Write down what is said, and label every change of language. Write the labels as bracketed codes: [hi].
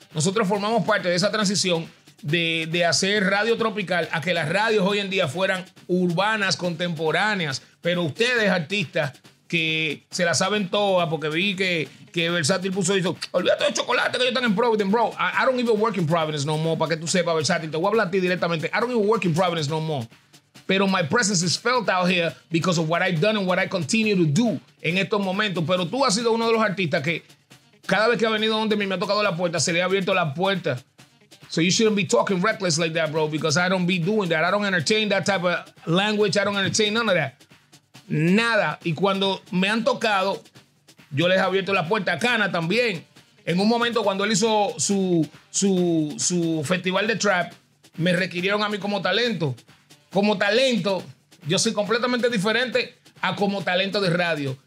[es] Nosotros formamos parte de esa transición de hacer radio tropical a que las radios hoy en día fueran urbanas, contemporáneas. Pero ustedes, artistas, que se la saben todas, porque vi que Versátil puso y dijo, olvídate de Chocolate, que yo estoy en Providence, bro. [en] I don't even work in Providence no more, [es] para que tú sepas, Versátil. Te voy a hablar a ti directamente. [en] I don't even work in Providence no more. Pero my presence is felt out here because of what I've done and what I continue to do [es] en estos momentos. Pero tú has sido uno de los artistas que cada vez que ha venido donde me ha tocado la puerta, se le ha abierto la puerta. [en] So you shouldn't be talking reckless like that, bro, because I don't be doing that. I don't entertain that type of language. I don't entertain none of that. [es] Nada. Y cuando me han tocado, yo les he abierto la puerta a Cana también. En un momento, cuando él hizo su festival de trap, me requirieron a mí como talento. Como talento, yo soy completamente diferente a como talento de radio.